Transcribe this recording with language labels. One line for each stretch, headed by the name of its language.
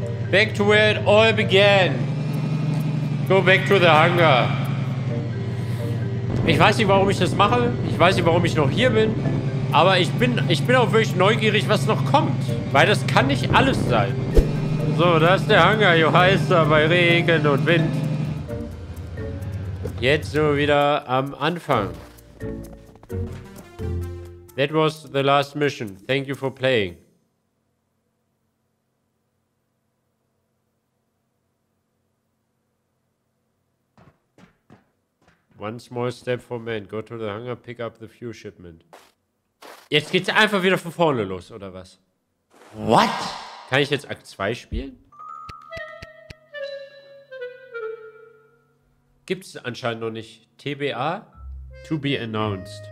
English: Back to where it all began. Go back to the hangar.
German: Ich weiß nicht, warum ich das mache. Ich weiß nicht, warum ich noch hier bin. Aber ich bin auch wirklich neugierig, was noch kommt. Weil das kann nicht alles sein. So, da ist der Hangar, jo heißer bei Regen und Wind. Jetzt sind wir wieder am Anfang.
English: That was the last mission. Thank you for playing. One small step for man. Go to the hangar, pick up the fuel shipment.
German: Jetzt geht's einfach wieder von vorne los, oder was?
English: What?
German: Kann ich jetzt Akt 2 spielen? Gibt's anscheinend noch nicht. TBA?
English: To be announced.